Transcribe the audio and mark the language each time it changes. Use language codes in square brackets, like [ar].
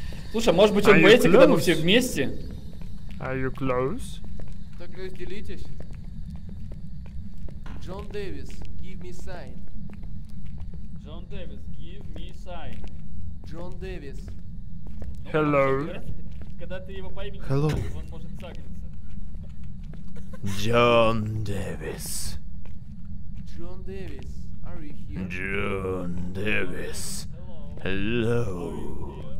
[ru] Слушай, может быть, он боится, когда мы все вместе? [en] Are you close? [ru] Так разделитесь. [en] Джон Дэвис, give me sign. Джон Дэвис, give give me sign. John Davis. Hello. [ru] Когда ты его поймешь, [en] hello. [ru] Он может сагриться. [en] John Davis. John Davis, are you here? John Davis. Hello.